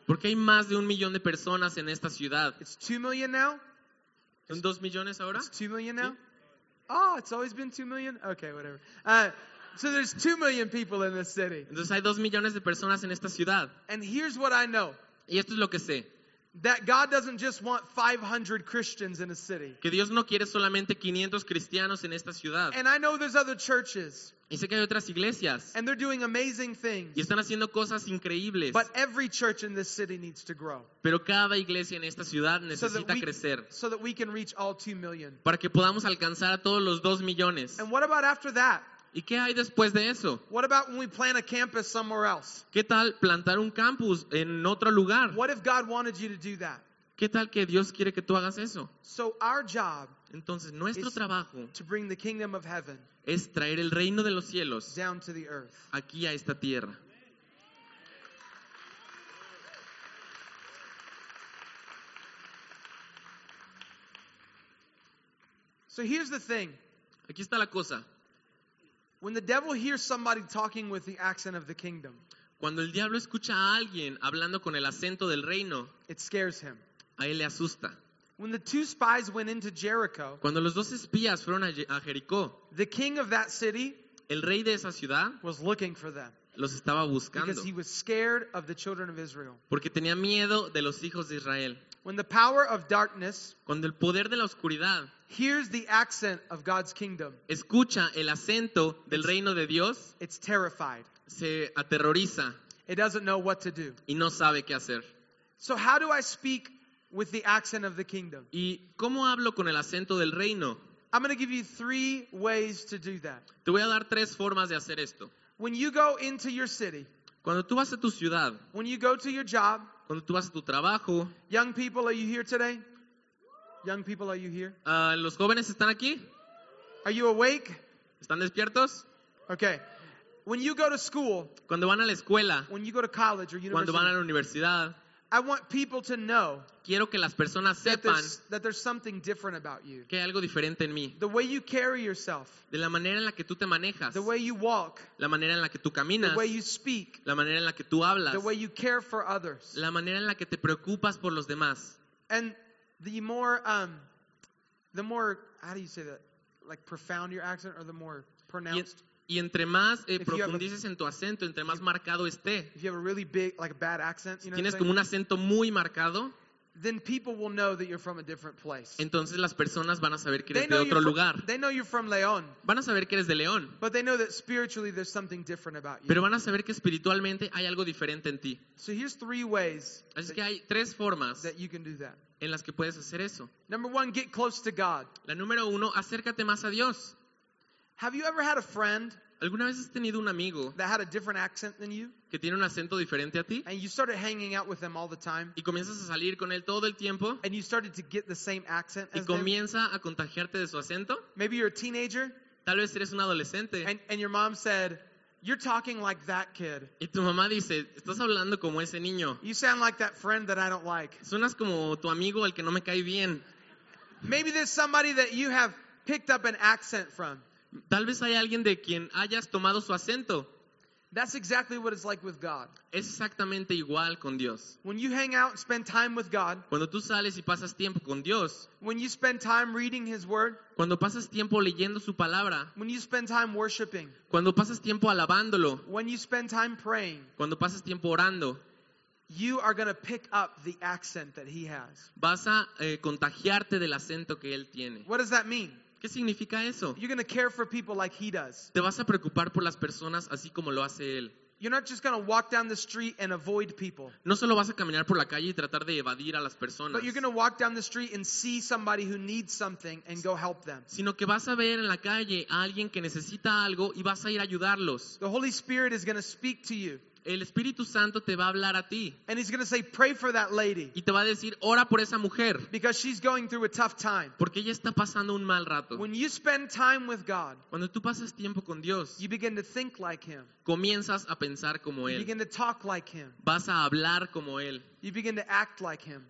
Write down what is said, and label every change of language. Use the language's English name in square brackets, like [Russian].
[Spanish] Porque hay más de 1 millón de personas en esta ciudad. [English] It's 2 million now? [Spanish] ¿Son 2 millones ahora? [English] It's 2 million now? ¿Sí? Oh, it's always been 2 million? Okay, whatever. So there's 2 million people in this city. [Spanish] Entonces hay 2 millones de personas en esta ciudad. [English] And here's what I know. [Spanish] Y esto es lo que sé. [English] That God doesn't just want 500 Christians in a city. [Spanish] Que Dios no quiere solamente 500 cristianos en esta ciudad. [English] And I know there's other churches. [Spanish] Y sé que hay otras iglesias. [English] And they're doing amazing things. [Spanish] Y están haciendo cosas increíbles. [English] But every church in this city needs to grow. [Spanish] Pero cada iglesia en esta ciudad necesita crecer. [English] So that we can reach all 2 million. [Spanish] Para que podamos alcanzar a todos los 2 millones. [English] And what about after that? [Spanish] ¿Y qué hay después de eso? [English] What about when we plant a campus somewhere else? [Spanish] ¿Qué tal plantar un campus en otro lugar? [English] What if God wanted you to do that? [Spanish] ¿Qué tal que Dios quiere que tú hagas eso? [English] So our job, [Spanish] entonces nuestro trabajo, [English] to bring the kingdom of heaven, [Spanish] es traer el reino de los cielos [English] down to the earth, [Spanish] aquí a esta tierra. [English] So here's the thing. [Spanish] Aquí está la cosa. [English] When the devil hears somebody talking with the accent of the kingdom, [Spanish] cuando el diablo escucha a alguien hablando con el acento del reino, [English] it scares him. [Spanish] A él le asusta. [English] When the two spies went into Jericho, [Spanish] cuando los dos espías fueron a Jericó, [English] the king of that city, [Spanish] el rey de esa ciudad, [English] was looking for them. [Spanish] Los estaba buscando. [English] Because he was scared of the children of Israel. [Spanish] Porque tenía miedo de los hijos de Israel. [English] When the power of darkness, [Spanish] cuando el poder de la oscuridad, [English] hears the accent of God's kingdom, [Spanish] escucha el acento del reino de Dios, [English] it's terrified. [Spanish] Se aterroriza. [English] It doesn't know what to do. [Spanish] Y no sabe qué hacer. [English] So how do I speak with the accent of the kingdom? [Spanish] ¿Y cómo hablo con el acento del reino? [English] I'm going to give you 3 ways to do that. [Spanish] Te voy a dar 3 formas de hacer esto. [English] When you go into your city, [Spanish] cuando tú vas a tu ciudad, [English] when you go to your job, [Spanish] cuando tú vas a tu trabajo, [English] young people, are you here today? Young people, are you here? [Spanish] ¿Los jóvenes están aquí? [English] Are you awake? [Spanish] ¿Están despiertos? [English] Okay. When you go to school, [Spanish] cuando van a la escuela, [English] when you go to college or university, [Spanish] cuando van a la universidad, [English] I want people to know, [Spanish] quiero que las personas sepan, [English] that there's something different about you. [Spanish] Que hay algo diferente en mí. [English] The way you carry yourself, [Spanish] de la manera en la que tú te manejas, [English] the way you walk, [Spanish] la manera en la que tú caminas, [English] the way you speak, [Spanish] la manera en la que tú hablas, [English] the way you care for others, [Spanish] la manera en la que te preocupas por los demás. [English] And the more, how do you say that? Like profound your accent or the more pronounced? [Spanish] Y entre más profundices en tu acento, entre más marcado esté. [English] If you have a really big, like a bad accent, [Spanish] si tienes como un acento muy marcado, [English] then people will know that you're from a different place. [Spanish] Entonces las personas van a saber que eres de otro lugar. [English] They know you're from León. [Spanish] Van a saber que eres de León. [English] But they know that spiritually there's something different about you. [Spanish] Pero van a saber que espiritualmente hay algo diferente en ti. [English] So here's 3 ways. [Spanish] Así que hay 3 formas [English] that you can do that. [Spanish] En las que puedes hacer eso. [English] Number one, get close to God. [Spanish] La número uno, acércate más a Dios. [English] Have you ever had a friend? [Spanish] ¿Alguna vez has tenido un amigo [English] that had a different accent than you? [Spanish] Que tiene un acento diferente a ti? [English] And you started hanging out with them all the time? [Spanish] Y comienzas a salir con él todo el tiempo? [English] And you started to get the same accent? [Spanish] Y comienza a contagiarte de su acento? [English] Maybe you're a teenager? [Spanish] Tal vez eres un adolescente. [English] And your mom said, "You're talking like that kid." [Spanish] Y tu mamá dice, "Estás hablando como ese niño." [English] You sound like that friend that I don't like. [Spanish] Suenas como tu amigo al que no me cae bien. [English] Maybe there's somebody that you have picked up an accent from. [Spanish] Tal vez hay alguien de quien hayas tomado su acento. [English] That's exactly what it's like with God. [Spanish] Es exactamente igual con Dios. [English] When you hang out and spend time with God, [Spanish] cuando tú sales y pasas tiempo con Dios, [English] when you spend time reading His Word, [Spanish] cuando pasas tiempo leyendo su palabra, [English] when you spend time worshiping, [Spanish] cuando pasas tiempo alabándolo, [English] when you spend time praying, [Spanish] cuando pasas tiempo orando, [English] you are going to pick up the accent that He has. [Spanish] Vas a contagiarte del acento que Él tiene. [English] What does that mean? [Spanish] ¿Qué significa eso? [English] You're going to care for people like he does. [Spanish] Te vas a preocupar por las personas así como lo hace él. [English] You're not just going to walk down the street and avoid people. [Spanish] No solo vas a caminar por la calle y tratar de evadir a las personas. [English] But you're going to walk down the street and see somebody who needs something and go help them. [Spanish] Sino que vas a ver en la calle a alguien que necesita algo y vas a ir a ayudarlos. [English] The Holy Spirit is going to speak to you. [Spanish] El Espíritu Santo te va a hablar a ti. [English] And he's going to say, pray for that lady. [Spanish] Y te va a decir, ora por esa mujer. [English] Because she's going through a tough time. [Spanish] Porque ella está pasando un mal rato. [English] When you spend time with God, [Spanish] cuando tú pasas tiempo con Dios, [English] you begin to think like him. [Spanish] Comienzas a pensar como él. [English] You begin to talk like him. [Spanish] Vas a hablar como él. [English] You begin to act like him.